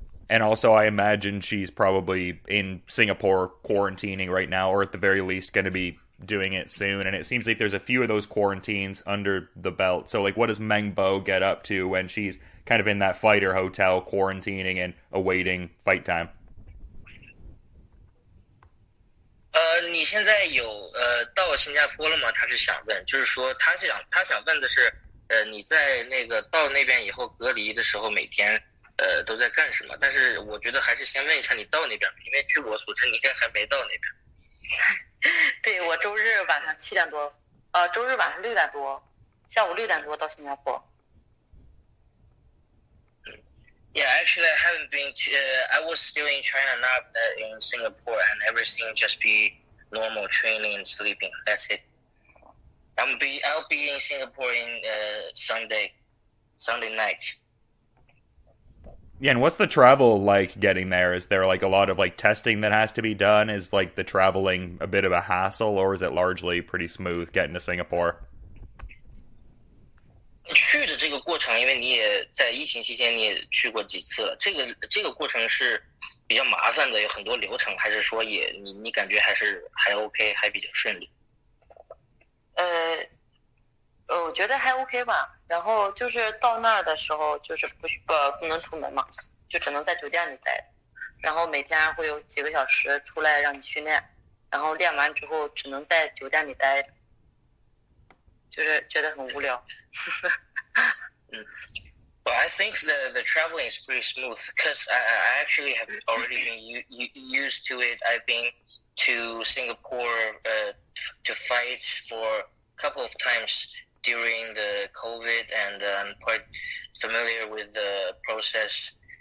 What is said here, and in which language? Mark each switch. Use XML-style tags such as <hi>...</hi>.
<en>And also, I imagine she's probably in Singapore quarantining right now, or at the very least going to be doing it soon. And it seems like there's a few of those quarantines under the belt. So, like, what does Meng Bo get up to when she's kind of in that fighter hotel quarantining and awaiting fight time?</en> <zh>你现在有到新加坡了吗？他是想问，就是说他想问的是，你在那个到那边以后隔离的时候每天都在干什么？但是我觉得还是先问一下你到那边，因为据我所知，你应该还没到那边。对，我周日晚上七点多，周日晚上六点多，下午六点多到新加坡。</zh> <en>Yeah, actually, I haven't been to. I was still in China, not in Singapore, and everything just be normal training and sleeping. That's it. I'll be in Singapore in Sunday night. Yeah, and what's the travel like getting there? Is there like a lot of like testing that has to be done? Is like the traveling a bit of a hassle, or is it largely pretty smooth getting to Singapore?</en> <zh>去的这个过程，因为你也在疫情期间你也去过几次了，这个过程是比较麻烦的，有很多流程，还是说也你感觉还 OK， 还比较顺利？我觉得还 OK 吧。然后就是到那儿的时候，就是不能出门嘛，就只能在酒店里待。然后每天会有几个小时出来让你训练，然后练完之后只能在酒店里待，就是觉得很无聊。</zh> <en>Well, I think the traveling is pretty smooth because I actually have already been used to it. I've been to Singapore to fight for a couple of times during the COVID, and I'm quite familiar with the process.</en>